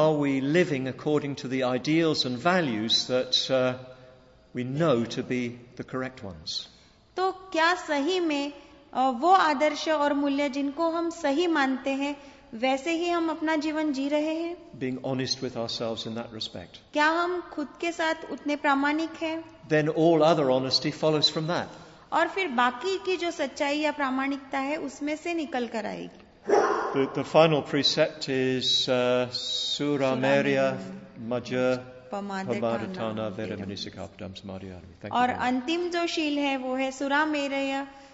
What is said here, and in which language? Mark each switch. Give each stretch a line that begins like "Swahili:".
English: are we living according to the ideals and values that we know to be the correct ones
Hindi: to kya sahi mein wo adarsh aur mulya jinko hum sahi mante hain वैसे ही हम अपना जीवन जी रहे हैं
English: Being honest with ourselves in that respect.
Hindi: क्या हम खुद के साथ उतने प्रामाणिक हैं
English: Then all other honesty follows from that.
Hindi: और फिर बाकी की जो सच्चाई या प्रामाणिकता है उसमें से निकल कर आएगी
English: The final precept is
Pali: sura merya maja pamadatana viramanisikapadam samadhiyami
Hindi: और अंतिम जो शील है वो है
Pali: सुरा मेरय